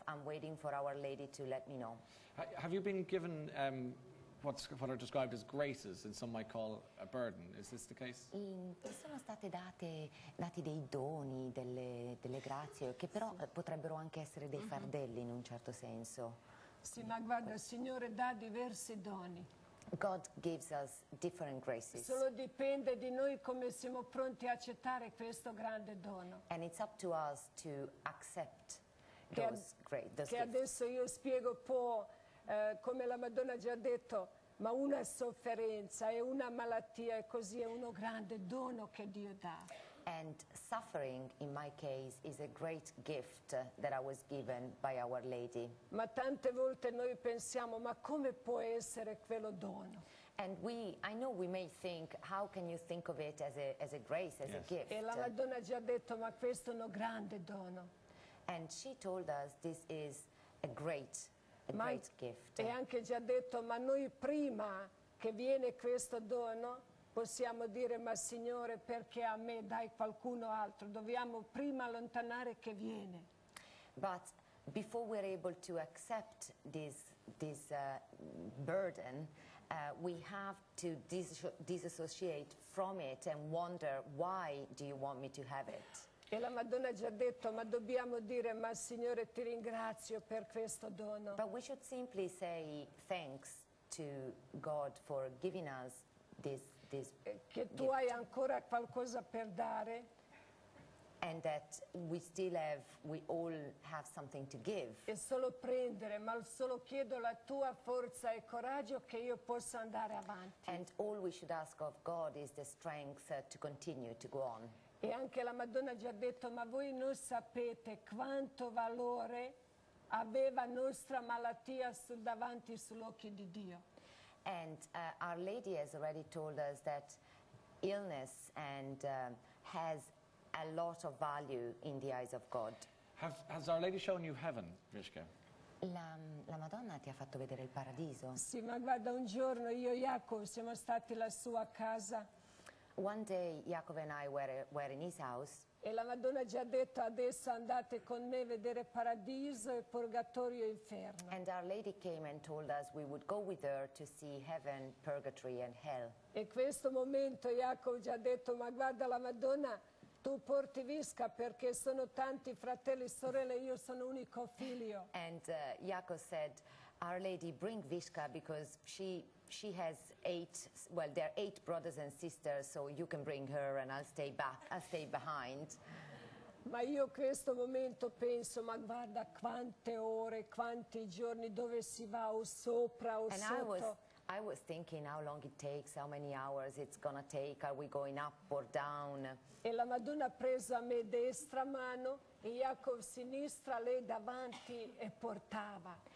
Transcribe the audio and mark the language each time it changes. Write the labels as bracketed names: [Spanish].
[English] I'm waiting for Our Lady to let me know. Have you been given what are described as graces, and some might call a burden? Is this the case? [Italian] Ti sono state dati dei doni, delle grazie, che però potrebbero anche essere dei fardelli in un certo senso. Sì, ma guarda, il Signore dà diversi doni. [English] God gives us different graces. [Italian] Solo dipende di noi come siamo pronti a accettare questo grande dono. [English] And it's up to us to accept those great. [Italian] Che adesso io spiego po'. Come la Madonna già ha detto, ma una sofferenza e una malattia e così è uno grande dono che Dio dà. [English] And suffering in my case is a great gift that I was given by Our Lady. [Italian] Ma tante volte noi pensiamo, ma come può essere quello dono? [English] And I know we may think, how can you think of it as a grace, as a gift? [Italian] E la Madonna già ha detto, ma questo è uno grande dono. [English] And she told us this is a great gift. [Italian] Ma è anche già detto, ma noi prima che viene questo dono possiamo dire, ma Signore, perché a me dai qualcuno altro? Dobbiamo prima allontanare che viene. [English] But before we're able to accept this burden, we have to disassociate from it and wonder, why do you want me to have it? [Italian] E la Madonna ha già detto, ma dobbiamo dire, ma Signore, ti ringrazio per questo dono. [English] But we should simply say thanks to God for giving us this [Italian] che [English] gift. [Italian] Tu hai ancora qualcosa per dare. [English] And that we all have something to give. [Italian] E solo prendere, ma solo chiedo la tua forza e coraggio che io possa andare avanti. [English] And all we should ask of God is the strength to continue to go on. [Italian] E anche la Madonna ha già detto, ma voi non sapete quanto valore aveva nostra malattia sul davanti sull'occhio di Dio. [English] And Our Lady has already told us that illness and has a lot of value in the eyes of God. Has Our Lady shown you heaven, Vishka? [Italian] La Madonna ti ha fatto vedere il paradiso? Sì, ma guarda, un giorno io e Jacob siamo stati alla sua casa. [English] One day Jacob and I were in his house. [Italian] E la Madonna già ha detto, adesso andate con me a vedere paradiso e purgatorio e inferno. [English] And Our Lady came and told us we would go with her to see heaven, purgatory and hell. [Italian] E questo momento Jacob già ha detto, ma guarda la Madonna, tu porti Visca perché sono tanti fratelli e sorelle, io sono unico figlio. [English] And Jacob said, Our Lady, bring Visca because she has there are 8 brothers and sisters, so you can bring her and I'll stay behind. [Italian] Ma io questo momento penso, ma guarda quante ore, quanti giorni, dove si va, o sopra o [English] and [Italian] sotto. [English] I was, I was thinking how long it takes, how many hours it's gonna take, are we going up or down? [Italian] E la Madonna preso a me destra mano e Jacob sinistra lei davanti e portava.